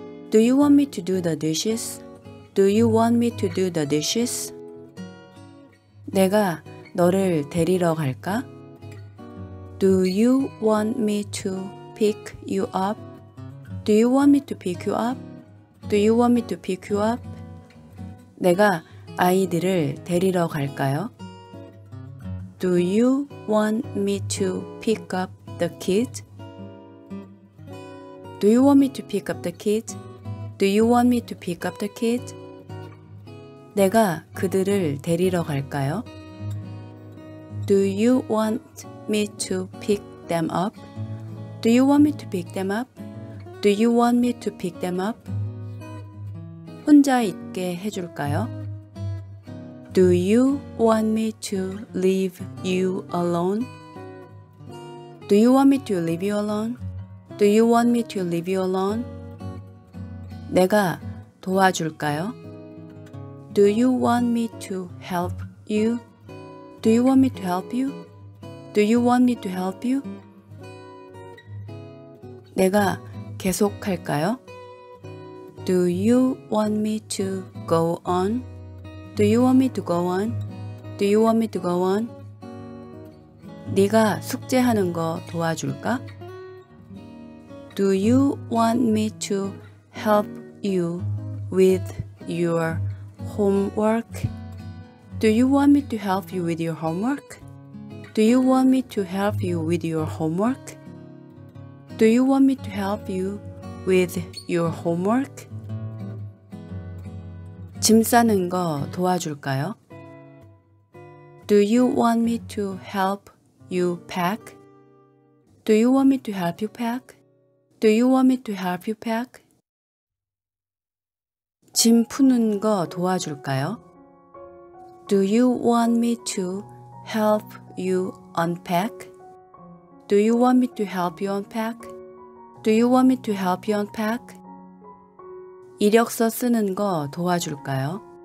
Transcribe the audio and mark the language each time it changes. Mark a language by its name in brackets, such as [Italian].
[English] Do you want me to do the dishes? Do you want me to do the dishes? [Korean] 내가 너를 데리러 갈까? [English] Do you want me to pick you up? Do you want me to pick you up? Do you want me to pick you up? [Korean] 내가 아이들을 데리러 갈까요? [English] Do you want me to pick up the kid? Do you want me to pick up the kid? Do you want me to pick up the kid? [Korean] 내가 그들을 데리러 갈까요? [English] Do you want me to pick them up? Do you want me to pick them up? Do you want me to pick them up? [Korean] 혼자 있게 해줄까요? [English] Do you want me to leave you alone? Do you want me to leave you alone? Do you want me to leave you alone? [Korean] 내가 도와줄까요? [English] Do you want me to help you? Do you want me to help you? Do you want me to help you? [Korean] 내가 계속할까요? [English] Do you want me to go on? Do you want me to go on? Do you want me to go on? [Korean] 네가 숙제하는 거 도와줄까? [English] Do you want me to help you with your homework? Do you want me to help you with your homework? Do you want me to help you with your homework? Do you want me to help you with your homework? [Korean] 짐 싸는 거 도와줄까요? [English] Do you want me to help you pack? Do you want me to help you pack? Do you want me to help you pack? [Korean] 짐 푸는 거 도와줄까요? [English] Do you want me to help you unpack? Do you want me to help you unpack? Do you want me to help you unpack? [Korean] 이력서 쓰는 거 도와줄까요?